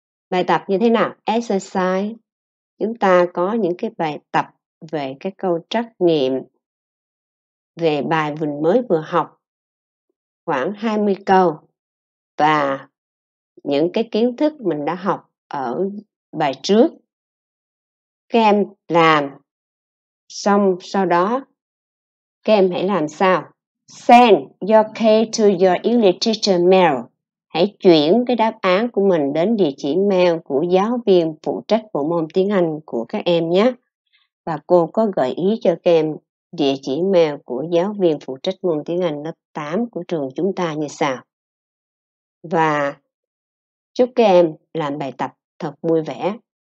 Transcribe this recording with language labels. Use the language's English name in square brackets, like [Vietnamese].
[Vietnamese] Bài tập như thế nào? Exercise. Chúng ta có những cái bài tập về cái câu trắc nghiệm, về bài mình mới vừa học, khoảng 20 câu và những cái kiến thức mình đã học ở bài trước. Các em làm xong sau đó các em hãy làm sao? [English] Send your case to your English teacher mail. [Vietnamese] Hãy chuyển cái đáp án của mình đến địa chỉ mail của giáo viên phụ trách bộ môn tiếng Anh của các em nhé. Và cô có gợi ý cho các em địa chỉ mail của giáo viên phụ trách môn tiếng Anh lớp 8 của trường chúng ta như sau. Và chúc các em làm bài tập thật vui vẻ.